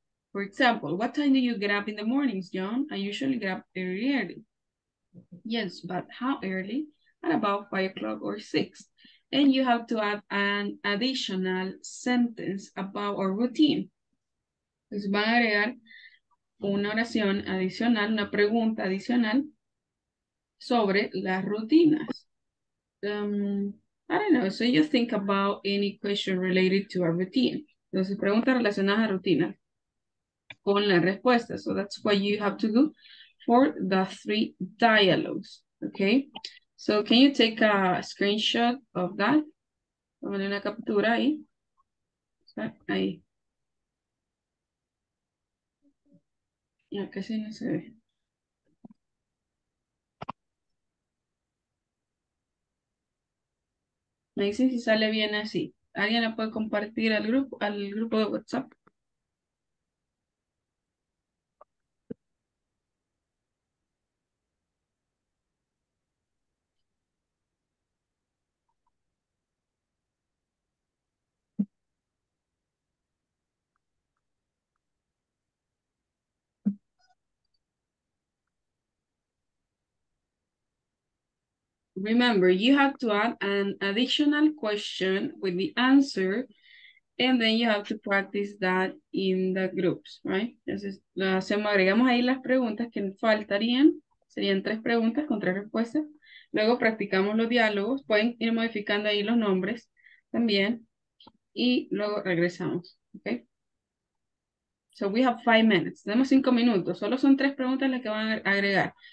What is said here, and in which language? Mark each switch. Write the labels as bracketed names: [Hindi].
[English] For example, what time do you get up in the mornings, John? I usually get up very early. Yes, but how early? At about 5 o'clock or 6. And you have to add an additional sentence about our routine. [Spanish] Entonces van a agregar una oración adicional, una pregunta adicional sobre las rutinas. [English] I don't know, so you think about any question related to a routine. [Spanish] Entonces, preguntas relacionadas a rutina con la respuesta. [English] So that's what you have to do for the 3 dialogues, okay? So can you take a screenshot of that? [Spanish] Tómale una captura ahí. Ahí. No, casi no se ve. Me dicen si sale bien así. ¿Alguien la puede compartir al grupo de WhatsApp? [English] Remember, you have to add an additional question with the answer, and then you have to practice that in the groups, right? [Spanish] Entonces, lo hacemos, agregamos ahí las preguntas que faltarían, serían tres preguntas con tres respuestas. Luego practicamos los diálogos, pueden ir modificando ahí los nombres también, y luego regresamos, okay? So we have 5 minutes, tenemos 5 minutos, solo son tres preguntas las que van a agregar.